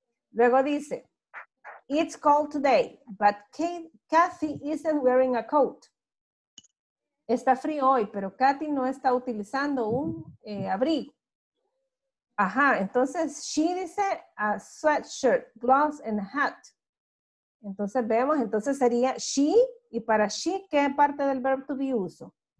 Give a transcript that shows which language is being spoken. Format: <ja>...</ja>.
<es>Luego dice,</es> <en>it's cold today, but Kathy isn't wearing a coat.</en> <es>Está frío hoy, pero Kathy no está utilizando un abrigo. Ajá, entonces</es> <en>she dice a sweatshirt, gloves and hat.</en> <es>Entonces vemos, entonces sería she, y para she, ¿qué parte del verb to be uso?</es>